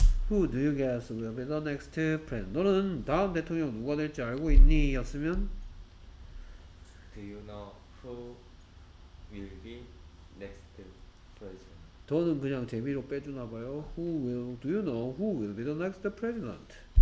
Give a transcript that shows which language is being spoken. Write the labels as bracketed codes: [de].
[en] Who do you guess will be the next president? [ko] 너는 다음 대통령 누가 될지 알고 있니? 였으면? [en] Do you know who will be next president? [ko] 너는 그냥 재미로 빼주나 봐요. [en] Who will, do you know who will be the next president?